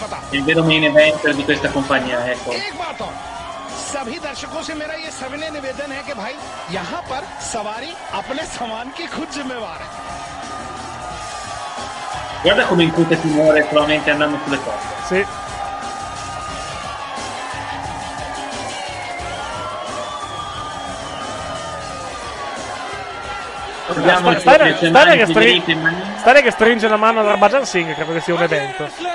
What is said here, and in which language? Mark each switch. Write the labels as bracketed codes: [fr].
[it] Il vero main event di questa compagnia, ecco. [hi] सभी दर्शकों से मेरा ये सविनय निवेदन है कि भाई यहां पर सवारी अपने सामान की खुद जिम्मेवार है. [it] Guarda come incute timore solamente andando sulle corde. Sì. Stare che stringe la mano alla Bajan Singh, credo che sia un evento.